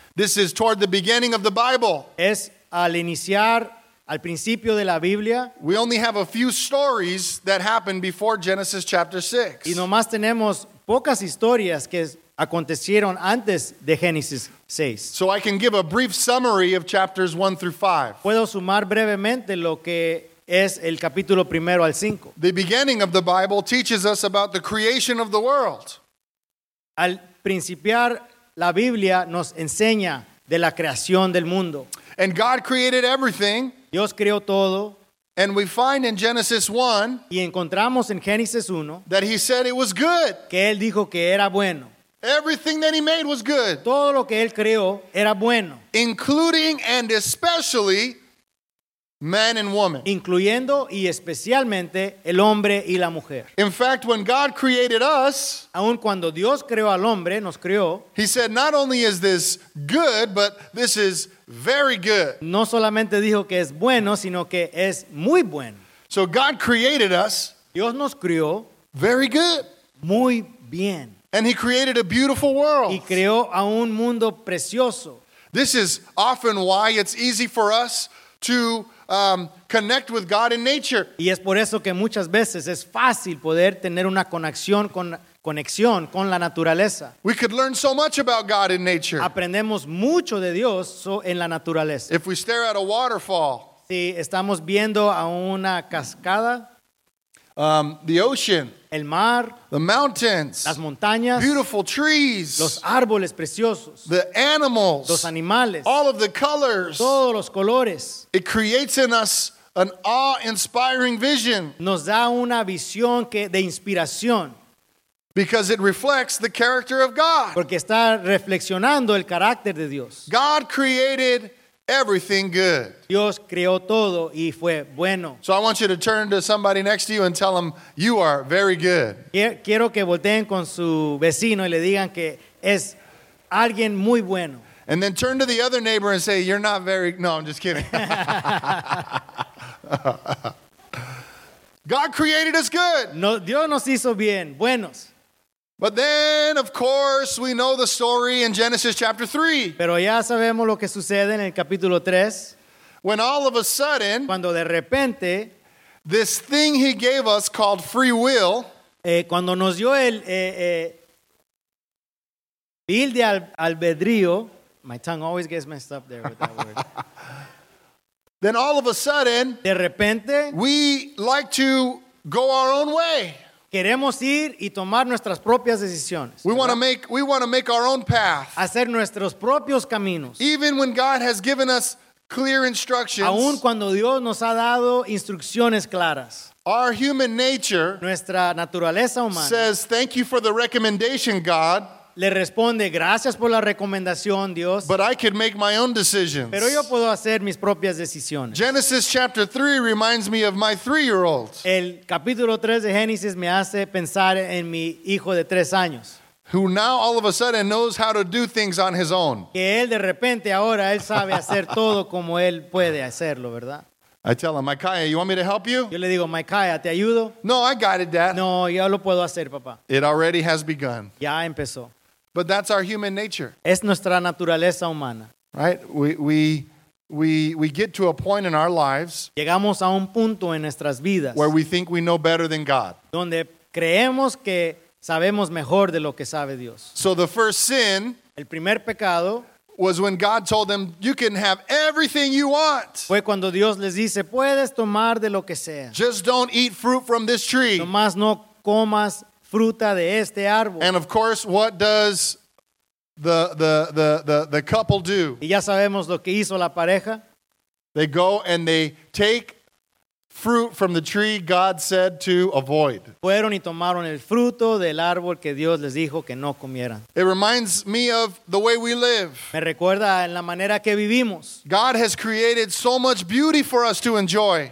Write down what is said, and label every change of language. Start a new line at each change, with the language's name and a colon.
English: This is toward the beginning of the Bible.
Spanish: Es al iniciar. Al principio de la Biblia,
English: we only have a few stories that happened before Genesis chapter 6.
Spanish: Y nomás tenemos pocas historias que acontecieron antes de Génesis 6.
English: So I can give a brief summary of chapters 1 through 5.
Spanish: Puedo sumar brevemente lo que es el capítulo primero al 5.
English: The beginning of the Bible teaches us about the creation of the world.
Spanish: Al principiar la Biblia nos enseña de la creación del mundo.
English: And God created everything.
Spanish: Dios creó todo.
English: And we find in Genesis 1,
Spanish: y encontramos en Génesis 1,
English: that he said it was good.
Spanish: Que él dijo que era bueno.
English: Everything that he made was good.
Spanish: Todo lo que él creó era bueno.
English: Including and especially man and woman.
Spanish: Incluyendo y especialmente el hombre y la mujer.
English: In fact, when God created us,
Spanish: aun cuando Dios creó al hombre, nos creó,
English: he said, not only is this good, but this is very good.
Spanish: No solamente dijo que es bueno, sino que es muy bueno.
English: So God created us.
Spanish: Dios nos creó.
English: Very good.
Spanish: Muy bien.
English: And he created a beautiful world.
Spanish: Y creó a un mundo precioso.
English: This is often why it's easy for us to connect with God in nature.
Spanish: Y es por eso que muchas veces es fácil poder tener una conexión con la naturaleza.
English: We could learn so much about God in nature.
Spanish: Aprendemos mucho de Dios en la naturaleza.
English: If we stare at a waterfall.
Spanish: Si estamos viendo a una cascada.
English: The ocean.
Spanish: El mar.
English: The mountains.
Spanish: Las montañas.
English: Beautiful trees.
Spanish: Los árboles preciosos.
English: The animals.
Spanish: Los animales.
English: All of the colors.
Spanish: Todos los colores.
English: It creates in us an awe-inspiring vision.
Spanish: Nos da una visión que de inspiración.
English: Because it reflects the character of God.
Spanish: Porque está reflexionando el carácter de Dios.
English: God created everything good.
Spanish: Dios creó todo y fue bueno.
English: So I want you to turn to somebody next to you and tell them you are very good.
Spanish: Quiero que volteen con su vecino y le digan que es alguien muy bueno.
English: And then turn to the other neighbor and say you're not very. No, I'm just kidding. God created us good.
Spanish: No, Dios nos hizo bien, buenos.
English: But then, of course, we know the story in Genesis chapter 3.
Spanish: Pero ya sabemos lo que sucede en el capítulo 3.
English: When all of a sudden,
Spanish: cuando de repente,
English: this thing he gave us called free will,
Spanish: cuando nos dio el libre de albedrío,
English: my tongue always gets messed up there with that word. Then all of a sudden,
Spanish: de repente,
English: we like to go our own way.
Spanish: Queremos ir y tomar nuestras propias decisiones.
English: We want to make our own path.
Spanish: Hacer nuestros propios caminos.
English: Even when God has given us clear instructions.
Spanish: Aun cuando Dios nos ha dado instrucciones claras.
English: Our human nature.
Spanish: Nuestra naturaleza humana.
English: Says thank you for the recommendation, God.
Spanish: Le responde gracias por la recomendación, Dios.
English: But I could make my own decisions.
Spanish: Pero yo puedo hacer mis propias decisiones.
English: Genesis chapter 3 reminds me of my 3-year-old.
Spanish: El capítulo 3 de Génesis me hace pensar en mi hijo de 3 años.
English: Who now all of a sudden knows how to do things on his own.
Spanish: Que él de repente ahora él sabe hacer todo como él puede hacerlo, ¿verdad?
English: I tell him, Micaiah, you want me to help you?
Spanish: Yo le digo, Micaiah, ¿te ayudo?
English: No, I got it, Dad.
Spanish: No, ya lo puedo hacer, papá.
English: It already has begun.
Spanish: Ya empezó.
English: But that's our human nature.
Spanish: Es nuestra naturaleza humana.
English: Right? We get to a point in our lives.
Spanish: Llegamos a un punto en nuestras vidas.
English: Where we think we know better than God.
Spanish: Donde creemos que sabemos mejor de lo que sabe Dios.
English: So the first sin.
Spanish: El primer pecado.
English: Was when God told them, "You can have everything you want."
Spanish: Fue cuando Dios les dice, puedes tomar de lo que sea.
English: Just don't eat fruit from this tree.
Spanish: Nomás no comas fruta de este árbol.
English: And of course, what does the couple do?
Spanish: Y ya sabemos lo que hizo la pareja.
English: They go and they take fruit from the tree God said to avoid.
Spanish: Fueron y tomaron el fruto del árbol que Dios les dijo que no comieran.
English: It reminds me of the way we live.
Spanish: Me recuerda en la manera que vivimos.
English: God has created so much beauty for us to enjoy.